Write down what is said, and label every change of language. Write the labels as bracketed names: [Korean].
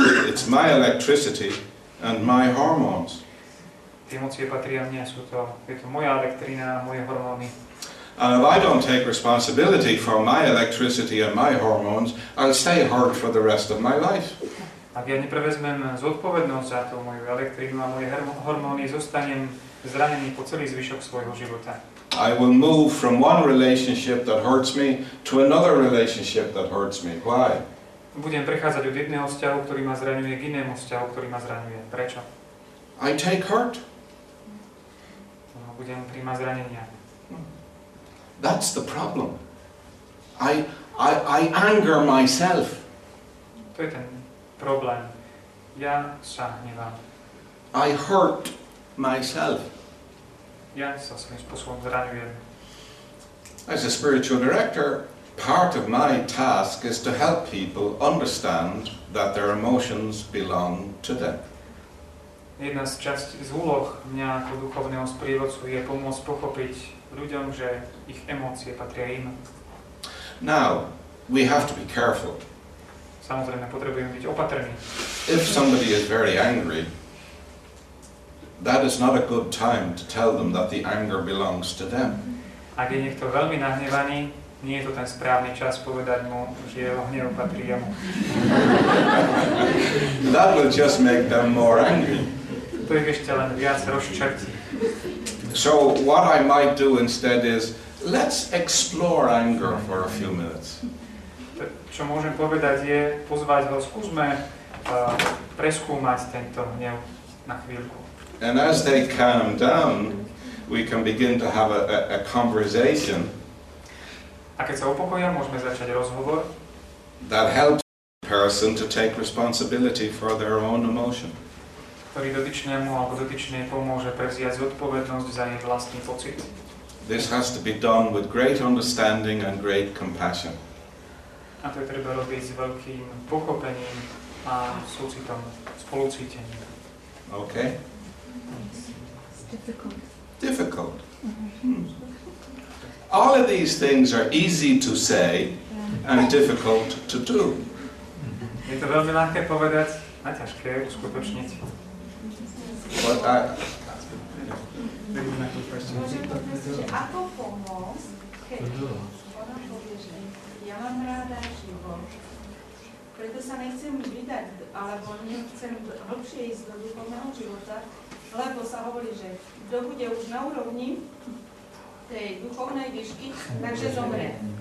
[English] It's my electricity and my hormones. [Slovak] Tie emócie patria mne, sú to, je to moja elektrina a moje hormóny. [English] And if I don't take responsibility for my electricity and my hormones, I'll stay hurt for the rest of my life. [Slovak] Ak ja neprevezmem zodpovednosť za tú moju elektrínu a moje hormóny, zostanem zranený po celý zvyšok svojho života. [English] I will move from one relationship that hurts me to another relationship that hurts me. Why? [Slovak] Budem prechádzať od jedného vzťahu, ktorý ma zraňuje, k inému vzťahu, ktorý ma zraňuje. Prečo? [English] I take hurt. [Slovak] Budem príjmať zranenia. [English] That's the problem. I anger myself. [Slovak] To je ten problém. Ja sa hnevám. [English] I hurt myself. [Slovak] Ja sa svojím spôsobom zraňujem. [English] As a spiritual director, part of my task is to help people understand that their emotions belong to them. [Slovak] Jedna z častí z úloh mňa ako duchovného sprievodcu je pomôcť pochopiť ľuďom, že ich emócie patria im. [English] Now, we have to be careful. [Slovak] Samozrejme, potrebujeme byť opatrní. [English] If somebody is very angry, that is not a good time to tell them that the anger belongs to them. [Slovak] Ak je niekto veľmi nahnevaný, nie je to ten správny čas povedať mu, že jeho hnev patrí jemu. [English] That will just make them more angry. [Slovak] To ich ešte len viac rozčertí. [English] So what I might do instead is, let's explore anger for a few minutes. [Slovak] Čo môžem povedať je, pozvať ho, skúsme preskúmať tento hnev na chvíľku. [English] And as they calm down, we can begin to have a conversation. [Slovak] A keď sa upokojia, môžeme začať rozhovor. [English] That helps the person to take responsibility for their own emotion. [Slovak] Ktorý dotyčnému alebo dotyčnej pomôže prevziať zodpovednosť za jej vlastný pocit. [English] This has to be done with great understanding and great compassion. [Slovak] A to je treba robiť s veľkým pochopením a súcitom, spolucítením. [English] Okay. Difficult. Difficult. All of these things are easy to say and difficult to do. [Slovak] Je to veľmi ľahké povedať a ťažké uskutočniť. [English] But I... [Slovak] Ako pomôcť, keď ona povie, že ja mám ráda život, preto sa nechcem vydať, alebo nechcem hlbšie ísť do duchovného života, lebo sa hovorí, že kto bude už na úrovni tej duchovnej výšky, takže zomre.